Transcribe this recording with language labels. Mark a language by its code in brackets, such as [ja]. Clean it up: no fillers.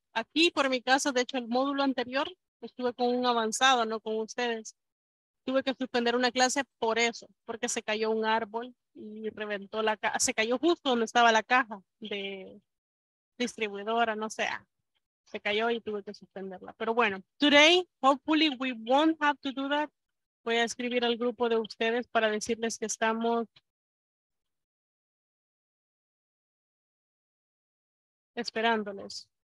[es] Aquí, por mi casa, de hecho, el módulo anterior, estuve con un avanzado, no con ustedes. Tuve que suspender una clase por eso, porque se cayó un árbol y reventó la caja. Se cayó justo donde estaba la caja de distribuidora, no sé. Se cayó y tuve que suspenderla. Pero bueno, [en] today, hopefully we won't have to do that. [es] Voy a escribir al grupo de ustedes para decirles que estamos esperándoles.